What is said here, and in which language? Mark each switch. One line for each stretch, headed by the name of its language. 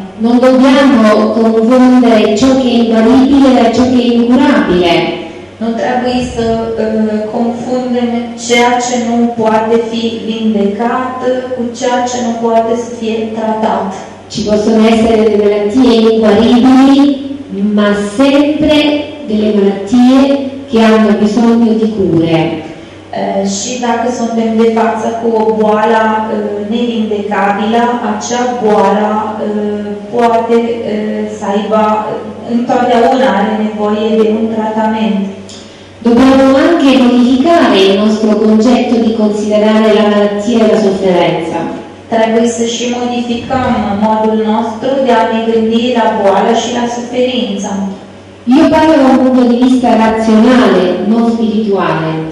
Italian: Non dobbiamo confondere ciò che è invalibile da ciò che è incurabile.
Romanian: Non trebuie să confundem ceea ce nu poate fi vindecat cu ceea ce nu poate să fie tratat.
Italian: Ci possono essere delle malattie inguaribili, ma sempre delle malattie che hanno bisogno di cure.
Romanian: Și dacă suntem de față cu o boală nevindecabilă, acea boală poate să aibă, întotdeauna are nevoie de un tratament.
Italian: Dobbiamo anche modificare il nostro concetto di considerare la malattia e la sofferenza.
Romanian: Trebuie să și modificăm modul nostru de a ne gândi la boală și la suferință. Eu
Italian: parlo da
Romanian: un punct de vista raționale, nu spirituale.